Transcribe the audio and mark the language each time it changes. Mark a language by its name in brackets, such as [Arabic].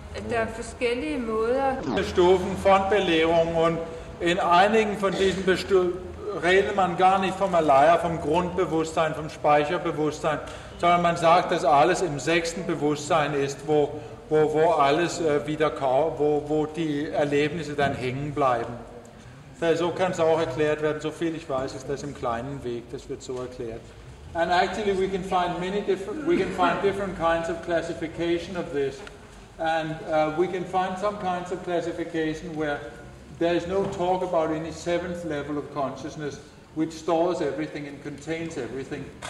[Danish] Der er forskellige måder. [German] Stufen von Belehrung und in einigen von diesen redet man gar nicht vom Alaya, vom Grundbewusstsein, vom Speicherbewusstsein, sondern man sagt, dass alles im 6. Bewusstsein ist, wo alles wieder wo die Erlebnisse dann hängen bleiben. So kann es auch erklärt werden, so viel ich weiß, ist das im kleinen Weg, das wird so erklärt. [English] And actually we can find different kinds of classification of this. And we can find some kinds of classification where there is no talk about any 7th level of consciousness which stores everything and contains everything.